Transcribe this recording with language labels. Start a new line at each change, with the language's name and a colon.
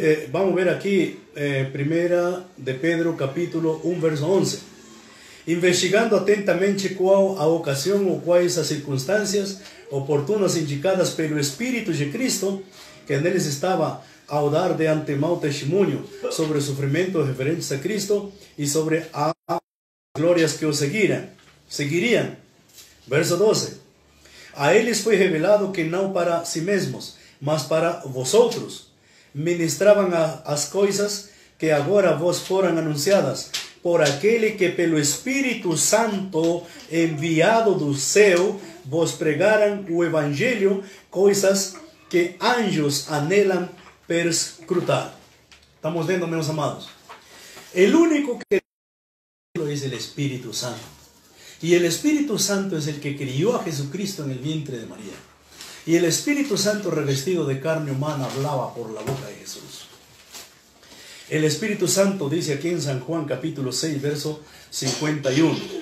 Spanish: Vamos a ver aquí, Primera de Pedro, capítulo 1, verso 11. Investigando atentamente cuál a ocasión o cuáles las circunstancias
Portuguese: oportunas indicadas pelo Espíritu de Cristo, que neles estava ao dar de antemão testemunho sobre sofrimentos referentes a Cristo e sobre as glórias que o seguiriam. Verso 12. A eles foi revelado que não para si mesmos, mas para vosotros, ministravam as coisas que agora vos foram anunciadas por aquele que pelo Espírito Santo enviado do céu vos pregaram o Evangelho, coisas que anjos anelam perscrutar. Estamos vendo, meus amados.
Spanish: O único que es el Espíritu Santo. Y el Espíritu Santo es el que crió a Jesucristo en el vientre de María. Y el Espíritu Santo revestido de carne humana hablaba por la boca de Jesús. El Espíritu Santo dice aquí en San Juan capítulo 6 verso 51.